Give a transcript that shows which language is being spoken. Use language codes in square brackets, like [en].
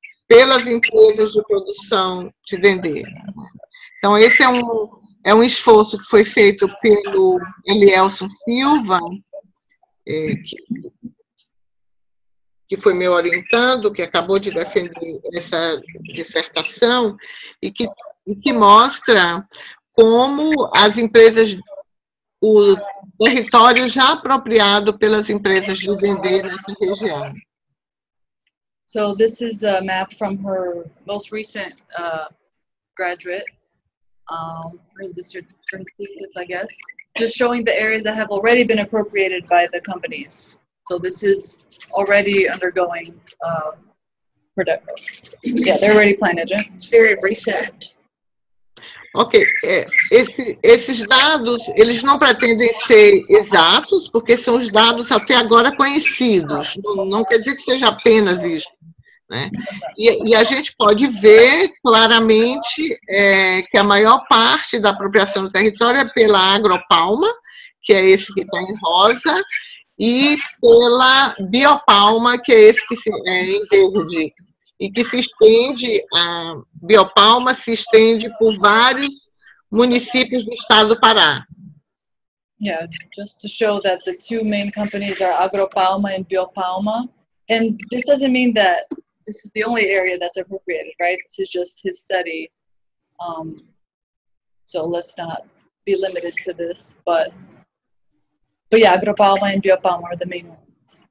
[pt] pelas empresas de produção de vender. Então, esse é um esforço que foi feito pelo Elielson Silva, que foi meu orientando, que acabou de defender essa dissertação, e que mostra como as empresas, o território já apropriado pelas empresas de vender nessa região. [en] So this is a map from her most recent graduate, her thesis, I guess, just showing the areas that have already been appropriated by the companies. So this is already undergoing production. Yeah, they're already planted. It's very recent. [pt] Ok, esses dados, eles não pretendem ser exatos, porque são os dados até agora conhecidos, não quer dizer que seja apenas isso. Né? E a gente pode ver claramente que a maior parte da apropriação do território é pela Agropalma, que é esse que está em rosa, e pela Biopalma, que é esse que é em verde. E que se estende, a Biopalma se estende por vários municípios do estado do Pará. [en] Yeah, just to show that the two main companies are Agropalma and Biopalma. And this doesn't mean that this is the only area that's appropriated, right? This is just his study. So let's not be limited to this. But yeah, Agropalma and Biopalma are the main ones.